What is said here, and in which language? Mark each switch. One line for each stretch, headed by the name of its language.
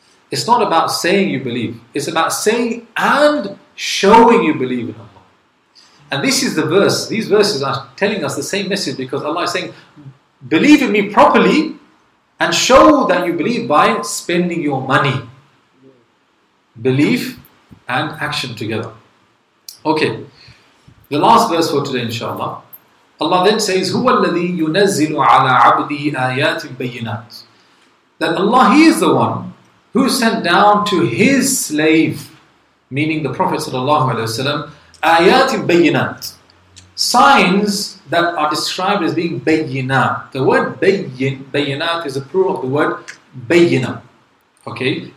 English: It's not about saying you believe. It's about saying and showing you believe in Allah. And this is the verse. These verses are telling us the same message, because Allah is saying, believe in me properly and show that you believe by spending your money. Belief and action together. Okay. The last verse for today, inshallah. Allah then says,
Arabic: هُوَ الَّذِي يُنَزِّلُ عَلَىٰ عَبْدِي آيَاتٍ بَيِّنَاتٍ.
English: That Allah, He is the one who sent down to His slave, meaning the Prophet sallallahu alaihi wasallam,
Arabic: آيَاتٍ بَيِّنَاتٍ.
English: Signs that are described as being بَيِّنَاتٍ. The word بَيِّنَاتٍ is a plural of the word بَيِّنَاتٍ. Okay?